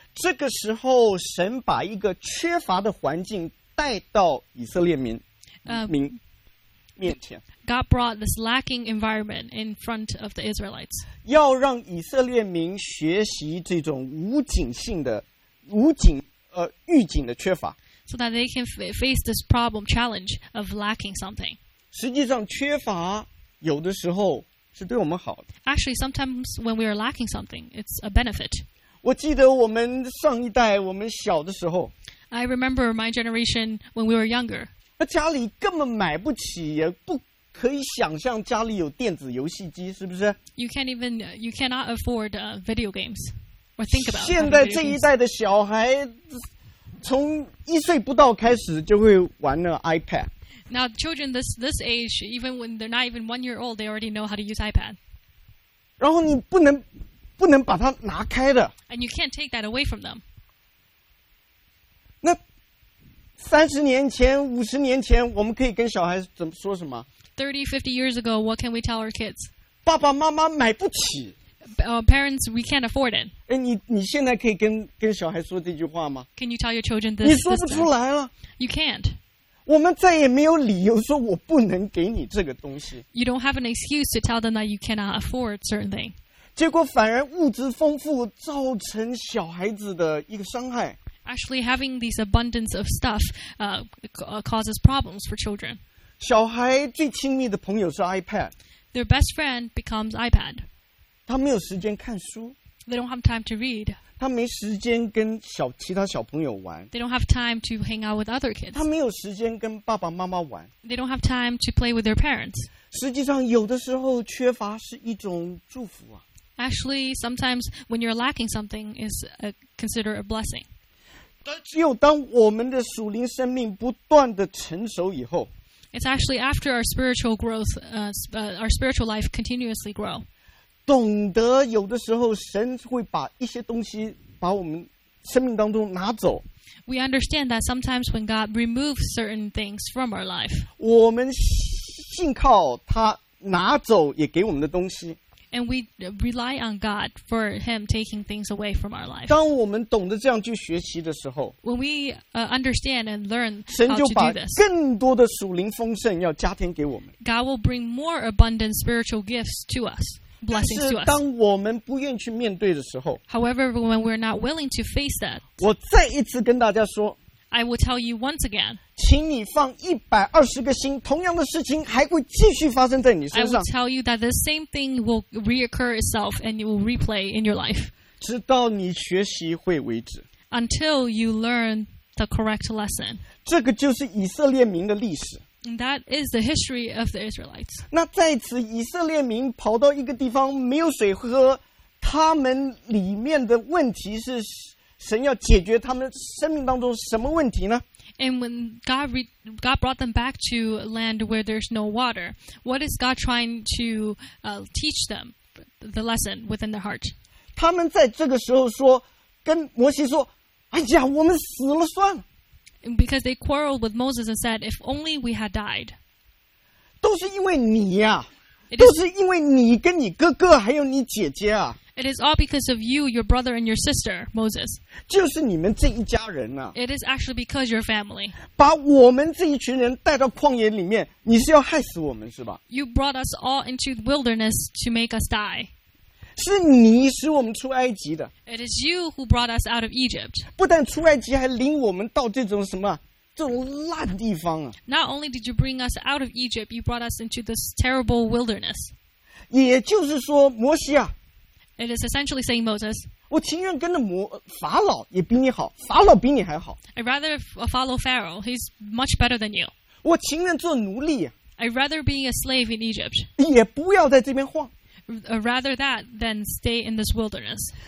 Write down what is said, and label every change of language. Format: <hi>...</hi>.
<zh>这个时候神把一个缺乏的环境带到以色列民面前。</zh> <en>God brought this lacking environment in front of the Israelites.</en> <zh>要让以色列民学习这种预警的缺乏。</zh> <en>So that they can face this problem challenge of lacking something.</en> <zh>实际上缺乏有的时候是对我们好的。</zh> <en>Actually, sometimes when we are lacking something, it's a benefit.</en> <zh>我记得我们上一代，我们小的时候。</zh> <en>I remember my generation when we were younger.</en> <zh>那家里根本买不起，也不可以想象家里有电子游戏机，是不是？</zh> <en>You cannot afford video games or think about.</en> <zh>现在这一代的小孩，从一岁不到开始就会玩那 iPad。</zh> <en>Now, children this age, even when they're not even 1 year old, they already know how to use iPad.</en> <zh>然后你不能把它拿开的。</zh> <en>And you can't take that away from them.</en> <zh>那30年前、50年前，我们可以跟小孩怎么说什么</zh> <en>？30, 50 years ago, what can we tell our kids?</en> <zh>爸爸妈妈买不起。</zh> <en>Parents, we can't afford it.</en> <zh>哎，你现在可以跟小孩说这句话吗</zh> <en>？Can you tell your children this?</en> <zh>你说不出来了。</zh> <en>You can't.</en> <zh>我们再也没有理由说我不能给你这个东西。</zh> <en>You don't have an excuse to tell them that you cannot afford certain thing.</en> <zh>结果反而物质丰富造成小孩子的一个伤害。</zh> <en>Actually, having these abundance of stuff, causes problems for children.</en> <zh>小孩最亲密的朋友是 iPad.</zh> <en>Their best friend becomes iPad.</en> <zh>他没有时间看书。</zh> <en>They don't have time to read.</en> <zh>他没时间跟其他小朋友玩。</zh> <en>They don't have time to hang out with other kids.</en> <zh>他没有时间跟爸爸妈妈玩。</zh> <en>They don't have time to play with their parents.</en> <zh>实际上，有的时候缺乏是一种祝福啊。</zh> <en>Actually, sometimes when you're lacking something, is considered a blessing.</en> <zh>但只有当我们的属灵生命不断的成熟以后</zh> <en>，It's actually after our spiritual growth, our spiritual life continuously grow.</en> <zh>懂得有的时候神会把一些东西把我们生命当中拿走。</zh> <en>We understand that sometimes when God removes certain things from our life,</en> <zh>我们信靠他拿走也给我们的东西。</zh> <en>And we rely on God for Him taking things away from our life.</en> <zh>当我们懂得这样去学习的时候</zh> <en>，When we understand and learn how to do this,</en> <zh>神就把更多的属灵丰盛要加添给我们。</zh> <en>God will bring more abundant spiritual gifts to us.</en> <zh>但是当我们不愿去面对的时候</zh> <en>However, when we're not willing to face that,</en> <zh>我再一次跟大家说</zh> <en>I will tell you once again,</en> <zh>请你放120颗心，同样的事情还会继续发生在你身上。</zh> <en>I will tell you that the same thing will reoccur itself and it will replay in your life,</en> <zh>直到你学习会为止。</zh> <en>Until you learn the correct lesson,</en> <zh>这个就是以色列民的历史。</zh> <en>That is the history of the Israelites.</en> <zh>那在此以色列民跑到一个地方没有水喝，他们里面的问题是神要解决他们生命当中什么问题呢</zh> <en>？And when God brought them back to a land where there's no water, what is God trying to teach them the lesson within their heart?</en> <zh>他们在这个时候说，跟摩西说：“哎呀，我们死了算了。”</zh> <en>Because they quarreled with Moses and said, "If only we had died."</en> <zh>都是因为你呀、啊，都是因为你跟你哥哥还有你姐姐啊。</zh> <en>It is all because of you, your brother, and your sister, Moses.</en> <zh>就是你们这一家人呐、啊。</zh> <en>It is actually because your family.</en> <zh>把我们这一群人带到旷野里面，你是要害死我们是吧</zh> <en>？You brought us all into the wilderness to make us die.</en> <zh>是你使我们出埃及的。</zh> <en>It is you who brought us out of Egypt.</en> <zh>不但出埃及，还领我们到这种什么这种烂地方啊</zh> <en>！Not only did you bring us out of Egypt, you brought us into this terrible wilderness.</en> <zh>也就是说，摩西啊</zh> <en>，It is essentially saying Moses.</en> <zh>我情愿跟着法老也比你好，法老比你还好。</zh> <en>I'd rather follow Pharaoh. He's much better than you.</en> <zh>我情愿做奴隶。</zh> <en>I'd rather being a slave in Egypt.</en> <zh>也不要在这边晃。</zh> <en>Rather that than stay in this wilderness.</en>